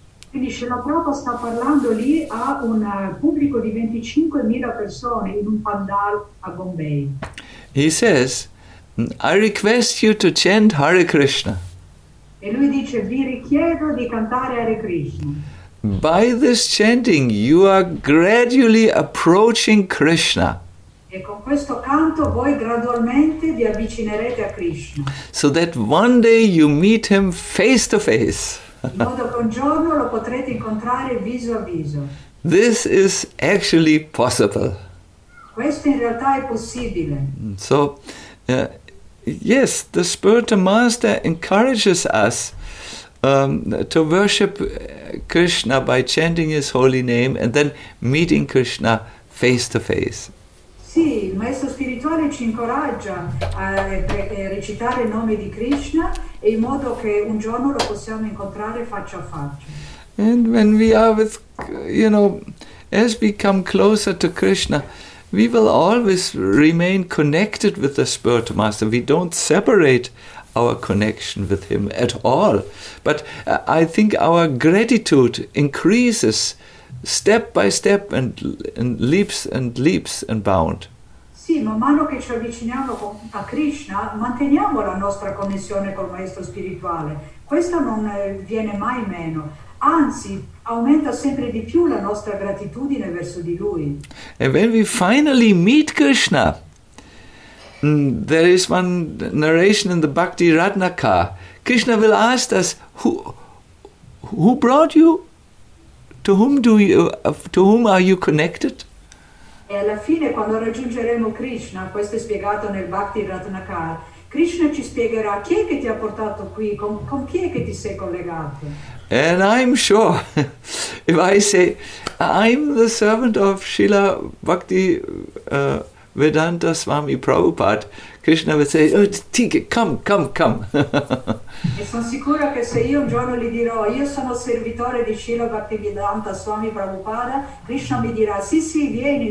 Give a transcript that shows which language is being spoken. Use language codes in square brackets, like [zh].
[it] Quindi Srila Prabhupada sta parlando lì a un pubblico di 25,000 persone in un pandal a Bombay. [en] He says, I request you to chant Hare Krishna. [it] E lui dice, vi richiedo di cantare Hare Krishna. [en] By this chanting you are gradually approaching Krishna. [it] E con questo canto voi gradualmente vi avvicinerete a Krishna. [en] So that one day you meet him face to face. [it] In modo che un giorno lo potrete incontrare viso a viso. [en] This is actually possible. [it] Questo in realtà è possibile. [en] So, yes, the spiritual master encourages us to worship Krishna by chanting his holy name and then meeting Krishna face to face. [it] Sì, il maestro spirituale ci incoraggia a recitare il nome di Krishna e in modo che un giorno lo possiamo incontrare faccia a faccia. [en] And when we are with, you know, as we come closer to Krishna, we will always remain connected with the spirit master. We don't separate our connection with him at all. But I think our gratitude increases step by step and leaps and leaps and bound. [it] Sì, man mano che ci avviciniamo a Krishna, manteniamo la nostra connessione col maestro spirituale. Questo non viene mai meno. Anzi, aumenta sempre di più la nostra gratitudine verso di lui. [en] And when we finally meet Krishna, there is one narration in the Bhakti Ratnaka. Krishna will ask us, who brought you? To whom are you connected? [it] E alla fine, quando raggiungeremo Krishna, questo è spiegato nel Bhakti Ratnaka, Krishna ci spiegherà chi è che ti ha portato qui, con chi è che ti sei collegato. [en] And I'm sure, if I say, I'm the servant of Srila Bhakti Vedanta Swami Prabhupada, Krishna would say, oh, Tika, come. [it] E sono sicura che se io un giorno gli dirò, io sono servitore di Srila Bhaktivedanta Swami Prabhupada, Krishna mi dirà, sì, vieni.